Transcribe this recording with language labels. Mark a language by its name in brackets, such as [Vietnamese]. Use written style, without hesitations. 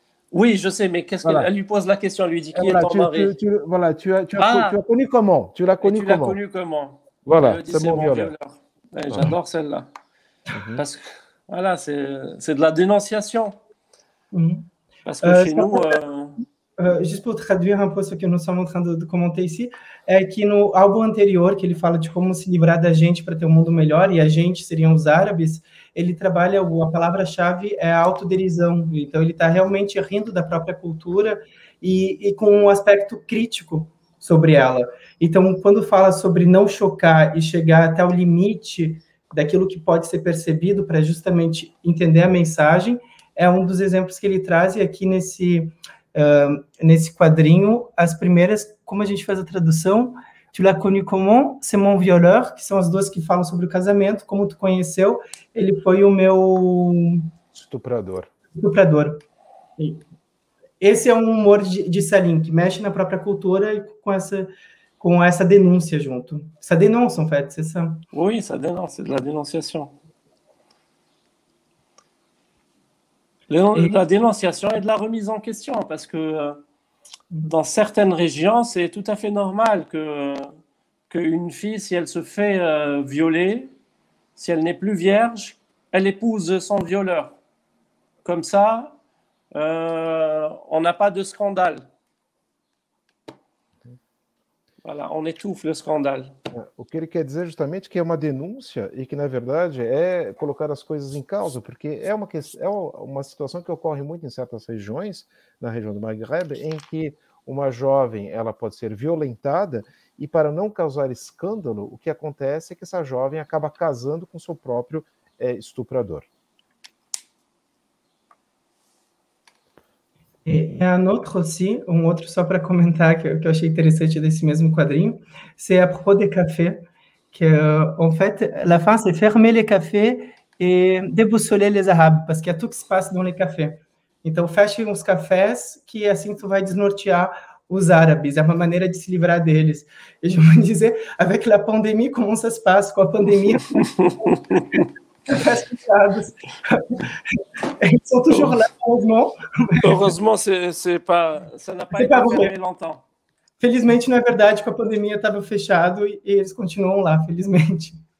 [French] Oui, je sais, mais qu'est-ce voilà. qu'elle lui pose la question, elle lui dit qui voilà, est ton mari. Tu as connu comment? Tu l'as connu comment? Tu l'as connu comment? Voilà, c'est mon violeur. Ouais, j'adore ouais. celle-là. Mm-hmm. Parce que voilà, c'est de la dénonciation. Mm-hmm. Parce que chez nous. Juste pour traduire un peu ce que nous sommes en train de commenter ici, [Portuguese] é que no álbum anterior, que ele fala de como se livrar da gente para ter um mundo melhor, e a gente seriam os árabes, ele trabalha, a palavra-chave é a autoderisão. Então, ele está realmente rindo da própria cultura e com um aspecto crítico sobre ela. Então, quando fala sobre não chocar e chegar até o limite daquilo que pode ser percebido para justamente entender a mensagem, é um dos exemplos que ele traz. E aqui nesse... nesse quadrinho, as primeiras, como a gente faz a tradução, [French] Tu l'as connu comment, c'est mon violeur, [Portuguese] que são as duas que falam sobre o casamento, como tu conheceu, ele foi o meu... Estuprador. Estuprador. Esse é um humor de Salim, que mexe na própria cultura e com essa denúncia junto. Essa denúncia, [French] en fait, c'est ça? Oui, ça dénonce, c'est de la dénonciation. La dénonciation et de la remise en question, parce que dans certaines régions, c'est tout à fait normal qu'une fille, si elle se fait violer, si elle n'est plus vierge, elle épouse son violeur. Comme ça, on n'a pas de scandale. Voilà, on étouffe le scandale. [Portuguese] O que ele quer dizer justamente que é uma denúncia e que, na verdade, é colocar as coisas em causa, porque é uma situação que ocorre muito em certas regiões, na região do Maghreb, em que uma jovem ela pode ser violentada e, para não causar escândalo, o que acontece é que essa jovem acaba casando com seu próprio estuprador. [French] Et un autre aussi, un autre [Portuguese] só para comentar que eu achei interessante desse mesmo quadrinho, [French] c'est à propos des cafés, que en fait, la fin c'est fermer les cafés et déboussoler les arabes, parce qu'il y a tout qui se passe dans les cafés. [Portuguese] Então feche uns cafés que assim tu vai desnortear os árabes, é uma maneira de se livrar deles. [French] Et je vais dizer, avec la pandémie, comment ça se passe [Portuguese] com a pandemia? [French] Ils sont toujours là, heureusement. Heureusement, ça n'a pas été fermé longtemps. [Portuguese] Felizmente, não é verdade, que a pandemia estava fechado e eles continuam lá, felizmente.